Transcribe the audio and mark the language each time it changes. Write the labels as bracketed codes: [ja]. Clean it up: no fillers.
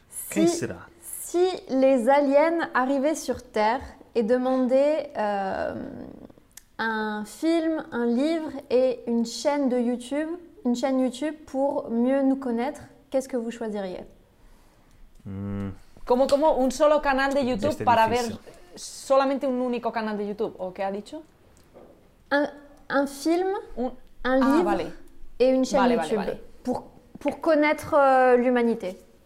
[fr] Qui sera? Si les aliens arrivaient sur Terre et demandaient un film, un livre et une chaîne de YouTube, une chaîne YouTube pour mieux nous connaître, qu'est-ce que vous choisiriez? [es] Como, como un solo canal de YouTube este para ver solamente un único canal de YouTube, ¿o qué ha dicho? [fr] Un film, un livre et une chaîne YouTube pour connaître l'humanité.